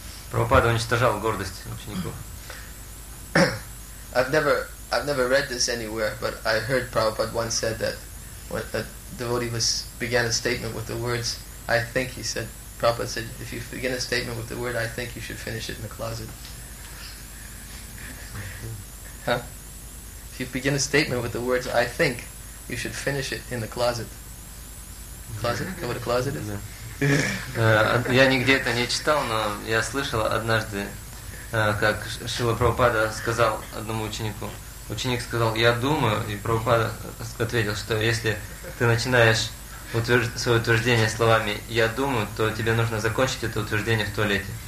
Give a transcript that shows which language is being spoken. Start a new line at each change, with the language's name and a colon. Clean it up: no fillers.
Russian: Прабхупада уничтожал гордость учеников.
English: I've never read this anywhere, but I heard Prabhupada once said that when a devotee began a statement with the words "I think," he said, Prabhupada said, if you begin a statement with the word "I think," you should finish it in the closet. If you begin a statement with the words "I think," you should finish it in the closet. Closet? Know what a closet is?
Russian: Я нигде это не читал, но я слышал однажды, как Шрила Прабхупада сказал одному ученику. Ученик сказал: "Я думаю," и Прабхупада ответил, что если ты начинаешь свое утверждение словами "Я думаю", то тебе нужно закончить это утверждение в туалете.